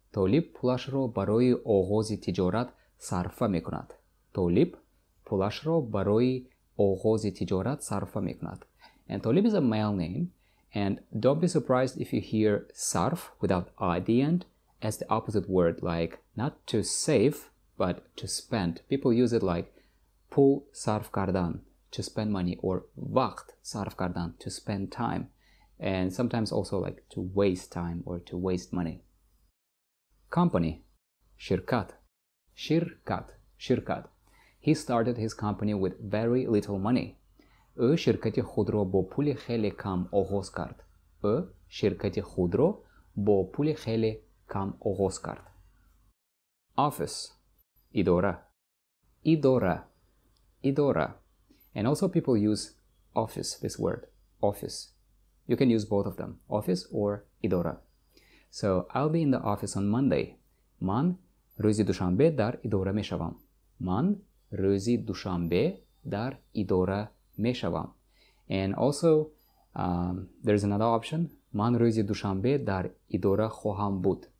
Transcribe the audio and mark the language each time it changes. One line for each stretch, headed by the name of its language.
Tajik: Толип пулаш ро барои оғози тиҷорат сарфа мекунад. Толип пулаш ро барои оғози тиҷорат сарфа мекунад.
English: And Толип is a male name. And don't be surprised if you hear sarf without I at the end as the opposite word, like not to save, but to spend. People use it like
Tajik: pul sarf кардан,
English: to spend money, or
Tajik: вақт сарф кардан,
English: to spend time. And sometimes also like to waste time or to waste money. Company.
Tajik: Shirkat. Shirkat. Shirkat.
English: He started his company with very little money.
Tajik: Ӯ ширкати худро бо пули хеле кам оғоз кард. Ӯ ширкати худро бо пули хеле кам оғоз кард. Office. Идора. Идора. Идора.
English: And also people use office, this word. Office. You can use both of them, office or idora. So, I'll be in the office on Monday.
Tajik: Ман рӯзи душанбе дар идора мешавам. Ман рӯзи душанбе дар идора мешавам.
English: And also, there's another option.
Tajik: Ман рӯзи душанбе дар идора хоҳам буд.